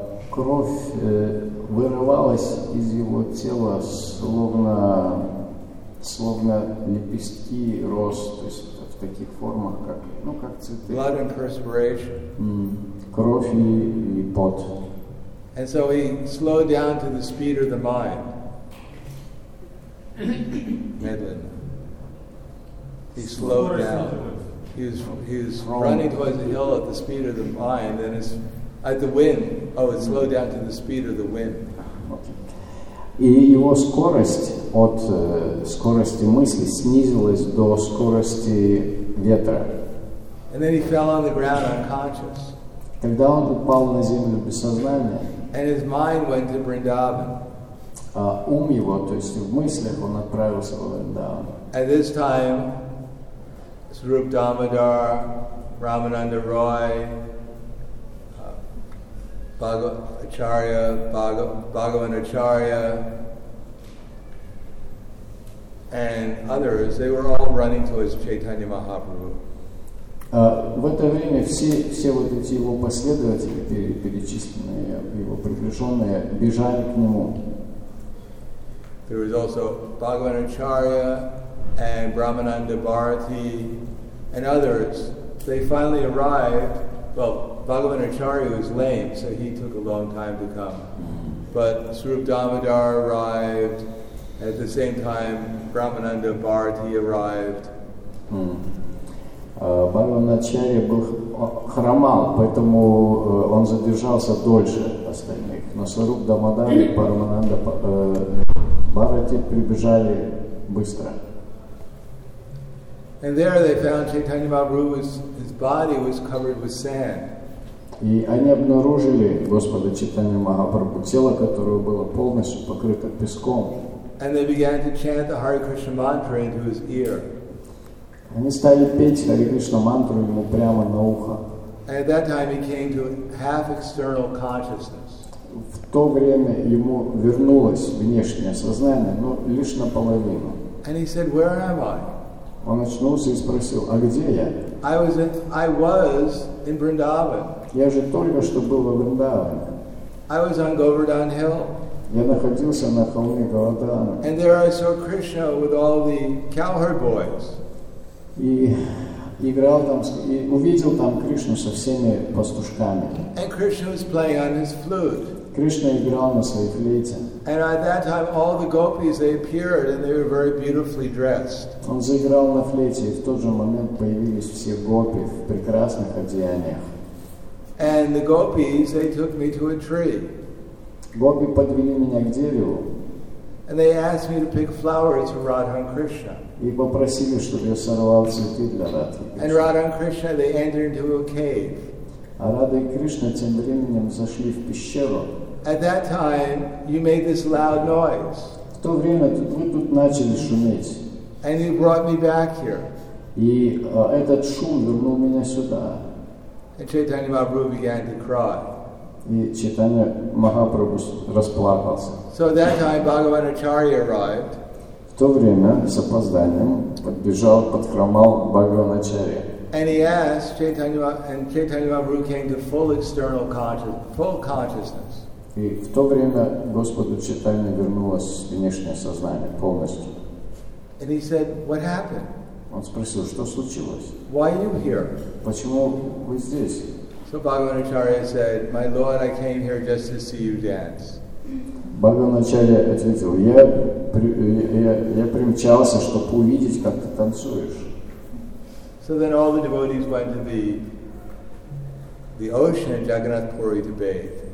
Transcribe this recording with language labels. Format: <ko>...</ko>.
<ru>Кровь вырывалась из его тела, словно лепестки роз, то есть в таких формах, как цветы.</ru> <en>Blood and perspiration.</en> <ru>Кровь и пот.</ru> <en>And so he slowed down to the speed of the mind. He slowed down. He was running towards the hill at the speed of the mind, and it's at the wind. Oh, it slowed down to the speed of the wind. Okay.</en> <ru>И его скорость от скорости мысли снизилась до скорости ветра.</ru> <en>And then he fell on the ground unconscious.</en> <ru>Когда он упал на землю без сознания.</ru> <en>And his mind went to Vrindavan.</en> <ru>Ум его, то есть в мыслях, он отправился в Вриндаван.</ru> <en>At this time, Swarup Damodar, Ramananda Roy, Bhagavan Acharya, and others, they were all running towards Chaitanya Mahaprabhu.</en> <ru>В это время все вот эти его последователи, перечисленные, его приближенные, бежали к нему.</ru> <en>There was also Bhagavan Acharya and Brahmananda Bharati and others. They finally arrived. Well, Bhagavan Acharya was lame, so he took a long time to come. But Swarup Damodar arrived. At the same time, Brahmananda Bharati arrived.</en> <ru>Бхагаван Ачарья хромал, поэтому он задержался дольше остальных. Но Сваруп Дамодар и Парамананда Бхарати прибежали быстро.</ru> <en>And there they found Chaitanya Mahaprabhu, his body was covered with sand.</en> <ru>И они обнаружили Господа Чайтанья Махапрабху, тело которого было полностью покрыто песком.</ru> <en>And they began to chant the Hare Krishna mantra into his ear.</en> <ru>Они стали петь Хари Кришна мантру ему прямо на ухо.</ru> <en>At that time he came to half external consciousness.</en> <ru>В то время ему вернулось внешнее сознание, но лишь наполовину.</ru> <en>And he said, "Where am I?"</en> <ru>Он очнулся и спросил, а где я?</ru> <en>I was in Vrindavan.</en> <ru>Я же только что был во Вриндаване.</ru> <en>I was on Govardhan Hill.</en> <ru>Я находился на холме Говардхана.</ru> <en>And there I saw Krishna with all the cowherd boys.</en> <ru>И играл там, и увидел там Кришну со всеми пастушками.</ru> <en>And Krishna was playing on his flute.</en> <ru>Кришна играл на своей флейте.</ru> <en>And at that time all the gopis they appeared and they were very beautifully dressed.</en> <ru>Он заиграл на флейте, и в тот же момент появились все гопи в прекрасных одеяниях.</ru> <en>And the gopis they took me to a tree.</en> <ru>Гопи подвели меня к дереву.</ru> <en>And they asked me to pick flowers for Radhan Krishna.</en> <ru>И попросили, чтобы я сорвал цветы для Радхи Кришны.</ru> <en>And Radhan Krishna, they entered into a cave.</en> <ru>А Радха и Кришна тем временем зашли в пещеру.</ru> <en>At that time, you made this loud noise.</en> <ru>В то время вы тут начали шуметь.</ru> <en>And you brought me back here.</en> <ru>И этот шум вернул меня сюда.</ru> <en>And Chaitanya Mahaprabhu began to cry.</en> <ru>И Чайтанья Махапрабху расплакался.</ru> <en>So at that time, Bhagavan Acharya arrived.</en> <ru>В то время, с опозданием, подбежал, подхромал Бхагаван Ачарья.</ru> <en>And he asked Chaitanya Mahaprabhu came to full external consciousness.</en> <ru>И в то время Господу Чайтанье вернулось внешнее сознание полностью.</ru> <en>And he said, "What happened?"</en> <ru>Он спросил, что случилось?</ru> <en>"Why are you here?"</en> <ru>Почему вы здесь?</ru> <en>So Bhagavan Acharya said, "My lord, I came here just to see you dance."</en> <ru>Бхагаван Ачарья ответил, я примчался, чтобы увидеть, как ты танцуешь.</ru> <en>So then all the devotees went to the ocean, Jagannath Puri, to bathe.</en>